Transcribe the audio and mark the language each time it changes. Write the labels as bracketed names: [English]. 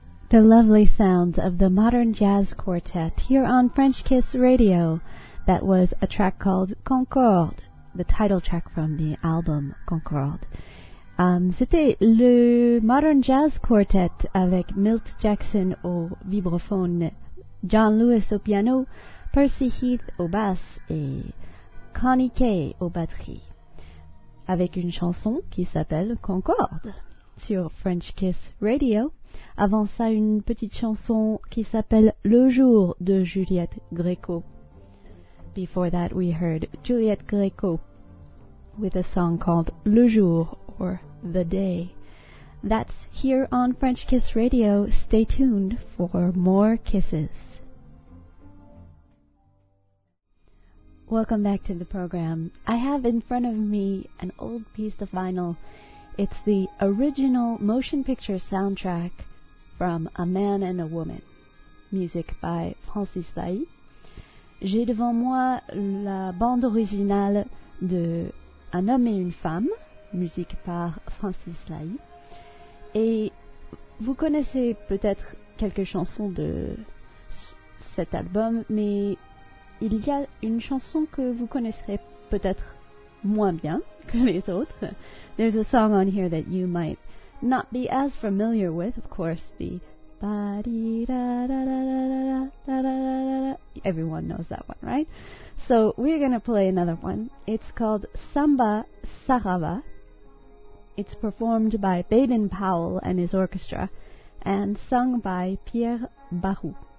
[English] the lovely sounds of the Modern Jazz Quartet here on French Kiss Radio. That was a track called Concorde, the title track from the album Concorde. [French] C'était le Modern Jazz Quartet avec Milt Jackson au vibraphone, John Lewis au piano, Percy Heath au basse et Connie Kay au batterie, avec une chanson qui s'appelle Concorde sur French Kiss Radio. Avant ça, une petite chanson qui s'appelle Le Jour de Juliette Gréco. [English] Before that, we heard Juliette Gréco with a song called Le Jour or The Day. That's here on French Kiss Radio. Stay tuned for more kisses. Welcome back to the program. I have in front of me an old piece of vinyl. It's the original motion picture soundtrack from A Man and a Woman, music by Francis Lahi. [French] J'ai devant moi la bande originale de Un homme et une femme, musique par Francis Lahi. Et vous connaissez peut-être quelques chansons de cet album, mais il y a une chanson que vous connaisserez peut-être moins bien que les autres. [English] There's a song on here that you might not be as familiar with, of course, the ba-dee-da-da-da-da-da-da-da-da-da-da. Everyone knows that one, right? So we're going to play another one. It's called Samba Sarava. It's performed by Baden Powell and his orchestra and sung by Pierre Barou.